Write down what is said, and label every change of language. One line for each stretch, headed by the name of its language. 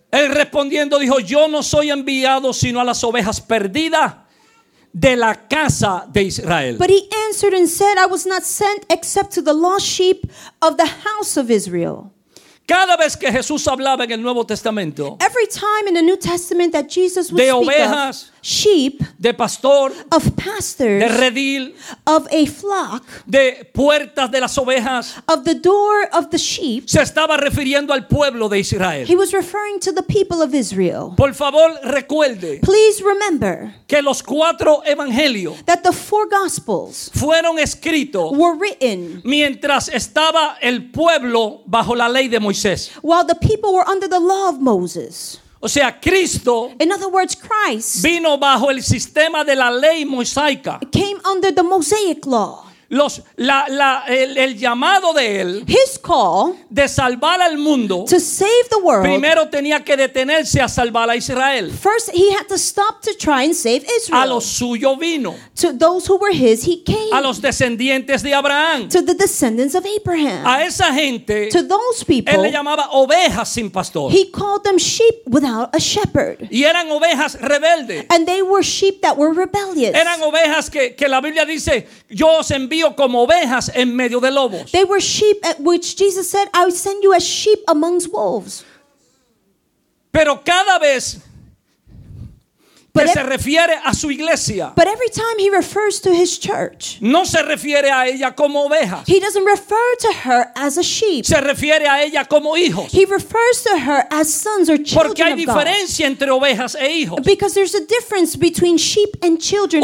Spanish: Él respondiendo dijo, yo no soy enviado sino a las ovejas perdidas de la casa de Israel.
English: But he answered and said, I was not sent except to the lost sheep of the house of Israel.
Spanish: Cada vez que Jesús hablaba en el Nuevo Testamento,
English: every time in the New Testament that Jesus would
Spanish: de ovejas,
English: speak of sheep,
Spanish: de pastor,
English: of pastors,
Spanish: de redil,
English: of a flock,
Spanish: de puertas de las ovejas,
English: of the door of the sheep,
Spanish: se estaba refiriendo al pueblo de Israel.
English: He was referring to the people of Israel.
Spanish: Por favor, recuerde,
English: please remember,
Spanish: que los cuatro evangelios,
English: that the four gospels,
Spanish: fueron escritos,
English: were written,
Spanish: mientras estaba el pueblo bajo la ley de Moisés.
English: While the people were under the law of Moses.
Spanish: O sea, Cristo,
English: in other words, Christ
Spanish: vino bajo el sistema de la ley mosaica.
English: Came under the Mosaic law.
Spanish: El llamado de él,
English: his call,
Spanish: de salvar al mundo,
English: to save the world,
Spanish: primero tenía que detenerse a salvar a Israel.
English: First he had to stop to try and save Israel.
Spanish: A los suyos vino.
English: To those who were his, he came.
Spanish: A los descendientes de Abraham.
English: To the descendants of Abraham.
Spanish: A esa gente,
English: to those people,
Spanish: él le llamaba ovejas sin pastor.
English: He called them sheep without a shepherd.
Spanish: Y eran ovejas rebeldes.
English: And they were sheep that were rebellious.
Spanish: Eran ovejas que la Biblia dice, yo os envío como ovejas en medio de lobos.
English: They were sheep at which Jesus said, I send you as sheep amongst wolves.
Spanish: Pero cada vez que se refiere a su iglesia,
English: but every time he refers to his church,
Spanish: no se refiere a ella como ovejas.
English: He doesn't refer to her as a sheep.
Spanish: Se refiere a ella como hijos.
English: He refers to her as sons or children.
Spanish: Porque hay diferencia entre ovejas e hijos.
English: Because there's a difference between sheep and children.